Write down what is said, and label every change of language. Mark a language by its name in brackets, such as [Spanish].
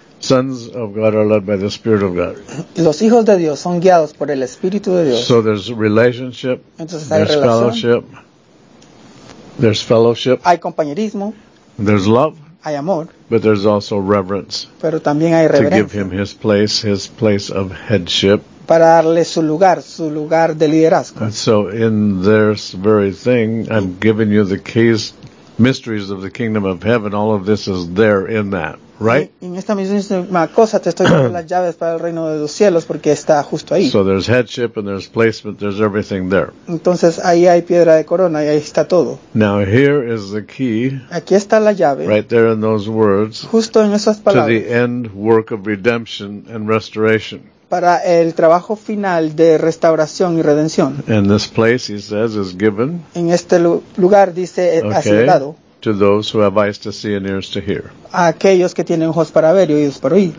[English] Sons of God are led by the Spirit of God. [Spanish] Los hijos de Dios son guiados por el Espíritu de Dios. [English] So there's relationship. [Spanish] Entonces hay relación. [English] Fellowship. There's fellowship. [Spanish] Hay compañerismo. [English] There's love. [Spanish] Hay amor. [English] But there's also reverence. [Spanish] Pero también hay reverencia. [English] To give him his place of headship. [Spanish] Para darle su lugar de liderazgo. [English] And so in this very thing, I'm giving you the keys, mysteries of the kingdom of heaven. All of this is there in that, right? [Spanish] En esta misma cosa te estoy dando las llaves para el reino de los cielos porque está justo ahí. [English] So there's headship and there's placement, there's everything there. [Spanish] Entonces ahí hay piedra de corona y ahí está todo. [English] Now here is the key. [Spanish] Aquí está la llave. [English] Right there in those words. [Spanish] Justo en esas palabras. [English] To the end work of redemption and restoration. [Spanish] Para el trabajo final de restauración y redención. [English] In this place, he says, is given. [Spanish] En este lugar dice ha sido dado. [English] To those who have eyes to see and ears to hear. [Spanish] A aquellos que tienen ojos para ver y oídos para oír.